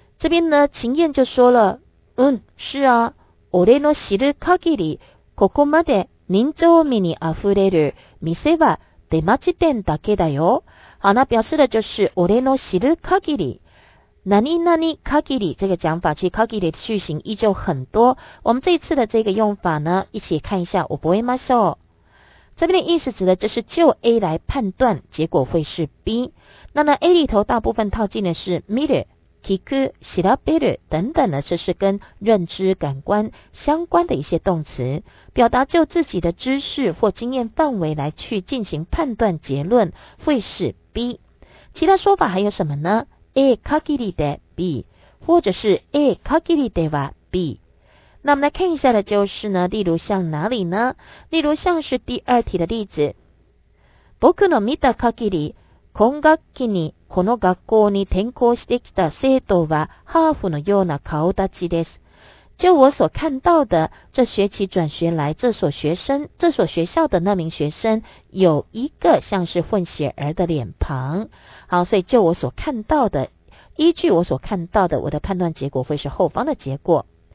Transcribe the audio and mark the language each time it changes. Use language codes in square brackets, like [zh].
[zh] 这边呢，秦燕就说了，嗯，是啊， [ja] 俺の知る限り、ここまで人情味にあふれる店は出町店だけだよ。 [zh] 好，那表示的就是 [ja] 俺の知る限り。 [zh] 哪里哪里 ，kagiri 这个讲法，其实 kagiri 的句型依旧很多。我们这一次的这个用法呢，一起看一下。我不会吗？说，这边的意思指的就是就 A 来判断，结果会是 B。那呢 ，A 里头大部分套进的是 miru、kiku、shirabiru 等等呢，这是跟认知、感官相关的一些动词，表达就自己的知识或经验范围来去进行判断结论，会是 B。其他说法还有什么呢？ A 限りで B 或者是 A 限りでは B。那我们来看一下的就是呢，例如像哪里呢？例如像是第二题的例子， [ja] 僕の見た限り今学期にこの学校に転校してきた生徒はハーフのような顔立ちです。 [zh] 就我所看到的，这学期转学来这所学校的那名学生有一个像是混血儿的脸庞。好，所以就我所看到的，依据我所看到的，我的判断结果会是后方的结果。